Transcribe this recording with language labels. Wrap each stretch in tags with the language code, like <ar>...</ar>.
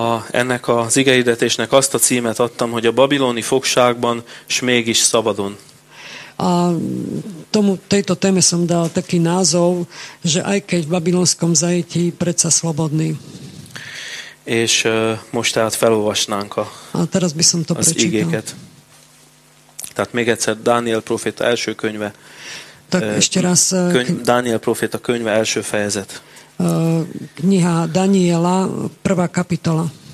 <hu>Ennek az igehirdetésnek azt a címet adtam, hogy a babiloni fogságban, s mégis szabadon.</hu> <sk>A tejto téme som dal taký názov, že aj keď v babilonskom zajetí, predsa slobodný.</sk> <hu>És most tehát felolvasnánk</hu> <sk>teraz by som to az prečítal. Igéket.</sk> <hu>Tehát még egyszer Dániel proféta első könyve.</hu> <sk>Tak ešte raz.</sk> <hu>Dániel proféta könyve első fejezet.</hu> <sk>Kniha Daniela, prvá kapitola.</sk>